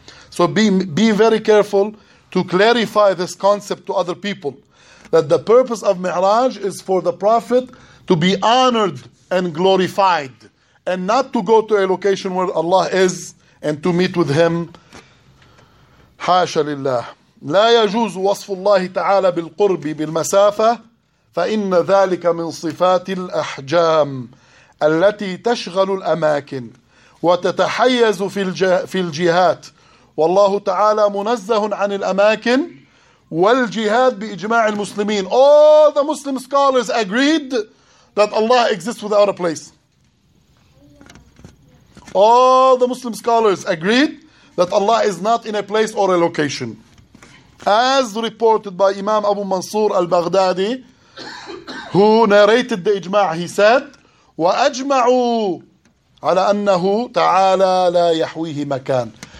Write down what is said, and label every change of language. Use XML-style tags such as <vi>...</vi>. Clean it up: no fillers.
<en>So be very careful to clarify this concept to other people. That the purpose of Mi'raj is for the Prophet to be honored and glorified. And not to go to a location where Allah is and to meet with Him.</en> <ar>حَاشَ لِلَّهِ لا يجوز وصف الله تعالى بالقرب بالمسافة فإن ذلك من صفات الأحجام التي تشغل الأماكن وتتحيز في الجهات والله تعالى منزه عن الأماكن والجهات بإجماع المسلمين.</ar> <en>All the Muslim scholars agreed that Allah exists without a place. All the Muslim scholars agreed that Allah is not in a place or a location. As reported by Imam Abu Mansur al-Baghdadi, who narrated the ijma', he said,</en> <ar>وَأَجْمَعُوا عَلَى أَنَّهُ تَعَالَى لَا يَحْوِيهِ مَكَانٍ.</ar>